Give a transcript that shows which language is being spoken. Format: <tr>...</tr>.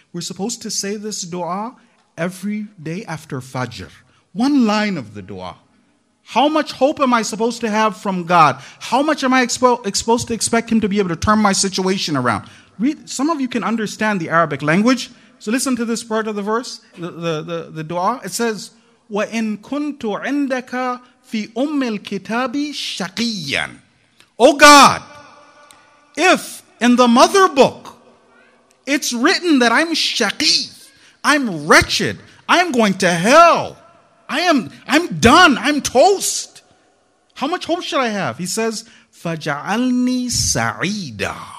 <en>We're supposed to say this dua every day after Fajr. One line of the dua. How much hope am I supposed to have from God? How much am I supposed to expect him to be able to turn my situation around? Read. Some of you can understand the Arabic language. So listen to this part of the verse, the dua. It says,</en> <ar>وَإِن كُنْتُ عِنْدَكَ فِي أُمِّ الْكِتَابِ شَقِيًّا.</ar> <en>O God! If in the mother book it's written that I'm shaqi, I'm wretched, I'm going to hell, I'm done, I'm toast. How much hope should I have? He says,</en> <ar>Faja'alni sa'ida.</ar>